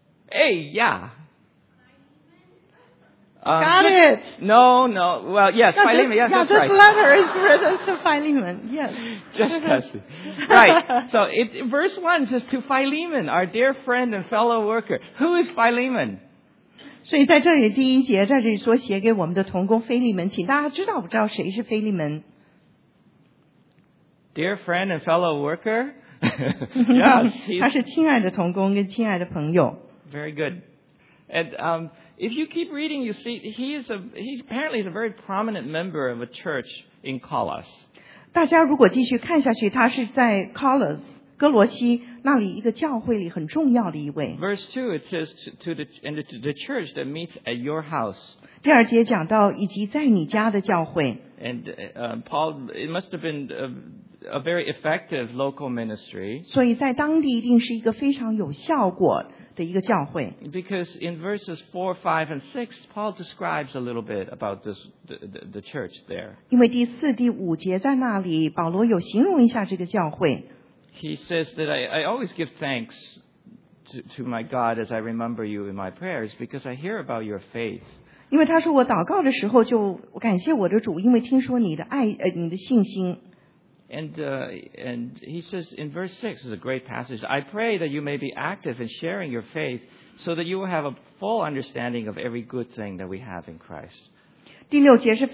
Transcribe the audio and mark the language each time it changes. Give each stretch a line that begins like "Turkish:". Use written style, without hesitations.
English: Hey, yeah. Got it. No. Well, yes, Philemon. Yes, yeah, that's right. Yeah, this letter is written to Philemon. Yes. Just testing. Right. So, verse 1 says, to Philemon, our dear friend and fellow worker. Who is Philemon?
Chinese: 所以在这里第一节,在这里说写给我们的同工菲利门,请大家知道不知道谁是菲利门?
English: Dear friend and fellow worker? Yes.
Chinese: 他是亲爱的同工跟亲爱的朋友。
English: Very good. And, if you keep reading, you see he's apparently a very prominent member of a church in Colos.
Chinese: 大家如果继续看下去，他是在 Colos 哥罗西那里一个教会里很重要的一位。
English: Verse 2 it says to the church that meets at your house.
Chinese: 第二节讲到以及在你家的教会。
English: And Paul, it must have been a very effective local ministry.
Chinese: 所以在当地一定是一个非常有效果。
English: Because in verses 4, 5, and 6, Paul describes a little bit about this, the church there.
Chinese: 因为第四、第五节在那里,保罗有形容一下这个教会。
English: He says that I always give thanks to my God as I remember you in my prayers because I hear about your faith.
Chinese: 因为他说我祷告的时候就感谢我的主,因为听说你的爱,你的信心。
English: And he says in verse 6 is a great passage. I pray that you may be active in sharing your faith so that you will have a full understanding of every good thing that we have in Christ.